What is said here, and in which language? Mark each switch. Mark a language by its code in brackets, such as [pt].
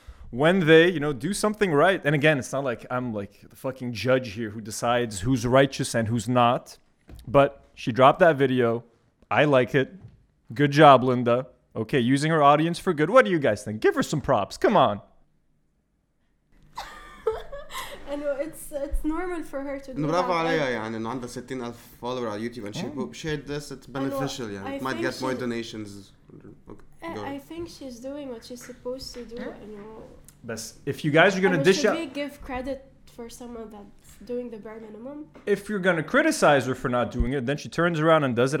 [en] when they, you know, do something right. And again, it's not like I'm like the fucking judge here who decides who's righteous and who's not. But she dropped that video. I like it. Good job, Linda. Okay, using her audience for good. What do you guys think? Give her some props. Come on. I know, it's normal for her to do Bravo that. [ar] Bravo عليها يعني انه عندها 16,000 follower على يوتيوب and yeah. [en] she shared this, it's beneficial يعني. It might get more donations. Okay, I think she's doing what she's supposed to do. But if you guys are going to dish out... Should we give credit for someone that's doing the bare minimum? If you're going to criticize her for not doing it, then she turns around and does it.